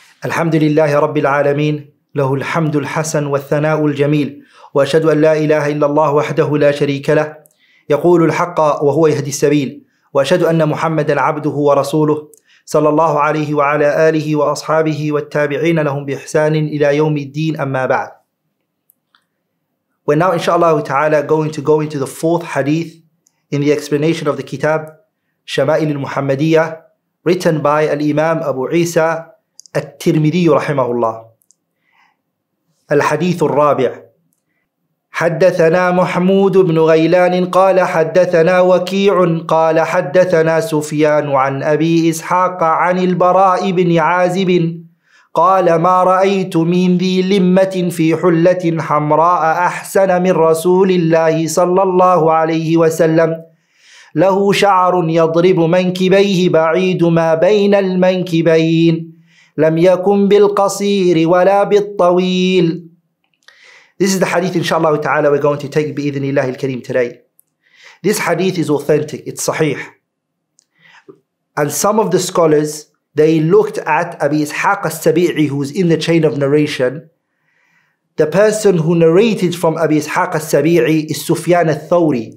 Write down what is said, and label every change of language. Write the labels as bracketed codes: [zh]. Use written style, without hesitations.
[ar] الحمد لله رب العالمين له الحمد الحسن والثناء الجميل وأشهد أن لا إله إلا الله وحده لا شريك له يقول الحق وهو يهدي السبيل وأشهد أن محمدا عبده ورسوله صلى الله عليه وعلى آله وأصحابه والتابعين لهم بإحسان إلى يوم الدين أما بعد. [en] We're now inshallah ta'ala going to go into the fourth hadith in the explanation of the kitab Shamaa'il Muhammadiyyah written by al-Imam Abu Isa al-Tirmidhi rahimahullah. [ar] الحديث الرابع حدثنا محمود بن غيلان قال حدثنا وكيع قال حدثنا سفيان عن أبي إسحاق عن البراء بن عازب قال ما رأيت من ذي لمة في حلة حمراء أحسن من رسول الله صلى الله عليه وسلم له شعر يضرب منكبيه بعيد ما بين المنكبين لم يكن بالقصير ولا بالطويل. [en] This is the hadith, inshallah ta'ala, we're going to take bi-idhnillah al-kareem today. This hadith is authentic, it's sahih. And some of the scholars, they looked at Abi Ishaq as-Sabee'i, who's in the chain of narration. The person who narrated from Abi Ishaq as-Sabee'i is Sufyan al-Thawri.